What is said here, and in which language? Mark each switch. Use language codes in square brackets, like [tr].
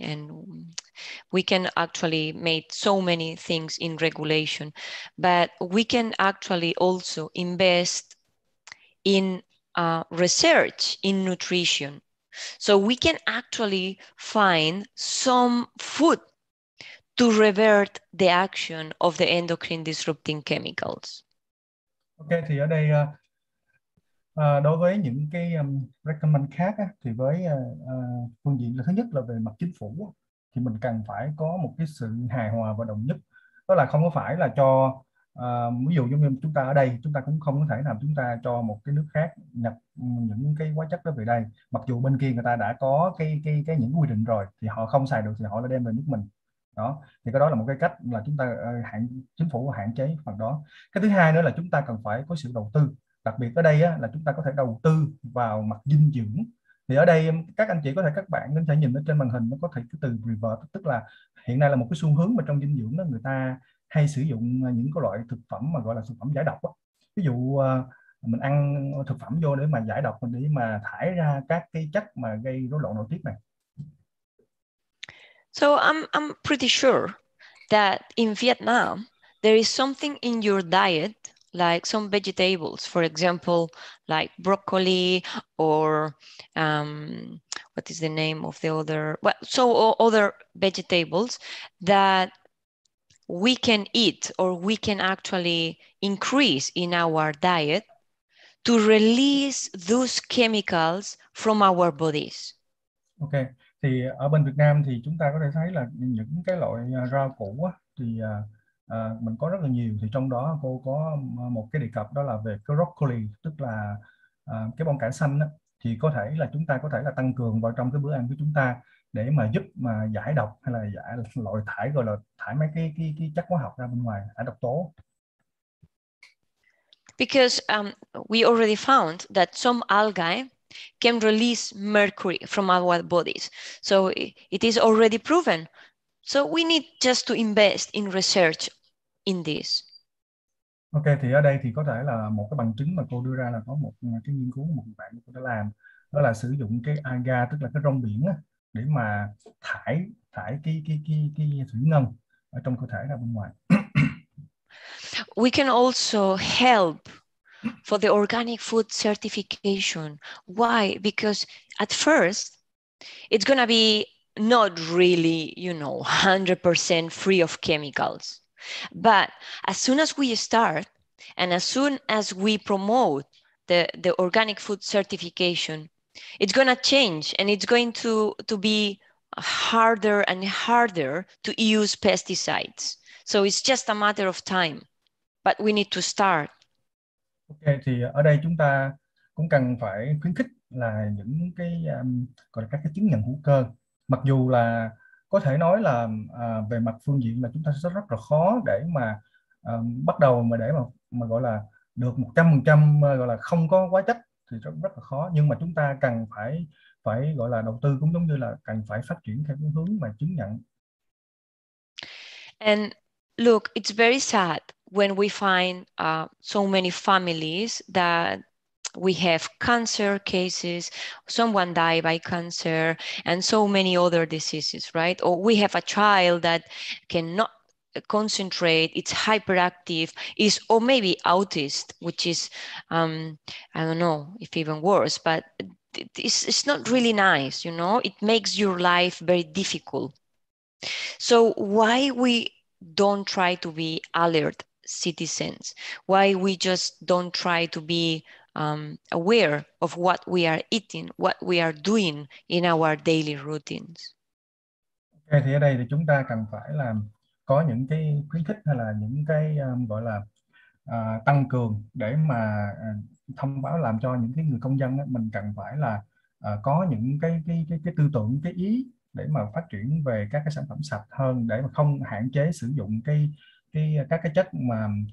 [en] And we can actually make so many things in regulation, but we can actually also invest in research in nutrition. So we can actually find some food to revert the action of the endocrine disrupting chemicals. [vi] Ok, thì ở đây đối với những cái recommend khác á, thì với phương diện là thứ nhất là về mặt chính phủ á, thì mình cần phải có một cái sự hài hòa và đồng nhất. Đó là không có phải là cho ví dụ như chúng ta ở đây, chúng ta cũng không có thể nào chúng ta cho một cái nước khác nhập những cái hóa chất đó về đây, mặc dù bên kia người ta đã có cái những quy định rồi, thì họ không xài được thì họ lại đem về nước mình đó. Thì cái đó là một cái cách là chúng ta chính phủ hạn chế phần đó. Cái thứ hai nữa là chúng ta cần phải có sự đầu tư, đặc biệt ở đây á, là chúng ta có thể đầu tư vào mặt dinh dưỡng. Thì ở đây các anh chị có thể, các bạn có thể nhìn ở trên màn hình, nó có thể cái từ revert, tức là hiện nay là một cái xu hướng mà trong dinh dưỡng đó người ta hay sử dụng những cái loại thực phẩm mà gọi là thực phẩm giải độc đó. Ví dụ mình ăn thực phẩm vô để mà giải độc, để mà thải ra các cái chất mà gây rối loạn nội tiết này. [en] So I'm pretty sure that in Vietnam there is something in your diet, like some vegetables, for example, like broccoli or what is the name of the other? Well, so other vegetables that we can eat, or we can actually increase in our diet to release those chemicals from our bodies. [vi] Okay, thì ở bên Việt Nam thì chúng ta có thể thấy là những cái loại rau củ á, thì mình có rất là nhiều, thì trong đó cô có một cái đề cập đó là về cái broccoli, tức là cái bông cải xanh á, thì có thể là chúng ta có thể là tăng cường vào trong cái bữa ăn của chúng ta, để mà giúp mà giải độc, hay là giải loại thải, gọi là thải mấy cái chất hóa học ra bên ngoài, thải độc tố. [en] Because we already found that some algae can release mercury from our bodies. So it is already proven. So we need just to invest in research in this. [vi] Ok, thì ở đây thì có thể là một cái bằng chứng mà cô đưa ra là có một cái nghiên cứu một bạn cô đã làm, đó là sử dụng cái algae, tức là cái rong biển á, để mà thải cái thủy ngân ở trong cơ thể ra bên ngoài. [en] We can also help for the organic food certification. Why? Because at first it's going to be not really, you know, 100% free of chemicals. But as soon as we start, and as soon as we promote the organic food certification, it's going to change, and it's going to be harder and harder to use pesticides. So it's just a matter of time, but we need to start. [vi] Okay, thì ở đây chúng ta cũng cần phải khuyến khích là những cái gọi là các cái chứng nhận hữu cơ. Mặc dù là có thể nói là về mặt phương diện là chúng ta sẽ rất là khó để mà bắt đầu mà để mà gọi là được 100% gọi là không có hóa chất, thì rất là khó, nhưng mà chúng ta cần phải gọi là đầu tư, cũng giống như là cần phải phát triển theo cái hướng mà chứng nhận. [en] And look, it's very sad when we find so many families that we have cancer cases, someone died by cancer, and so many other diseases, right? Or we have a child that cannot concentrate, it's hyperactive, is, or maybe autist, which is I don't know if even worse, but it's not really nice, you know, it makes your life very difficult. So why we don't try to be alert citizens, why we just don't try to be aware of what we are eating, what we are doing in our daily routines? [vi] Okay, thì ở đây thì chúng ta cần phải làm có những cái khuyến khích, hay là những cái gọi là tăng cường, để mà thông báo làm cho những cái người công dân ấy, mình cần phải là có những cái tư tưởng, cái ý để mà phát triển về các cái sản phẩm sạch hơn, để mà không hạn chế sử dụng các cái chất mà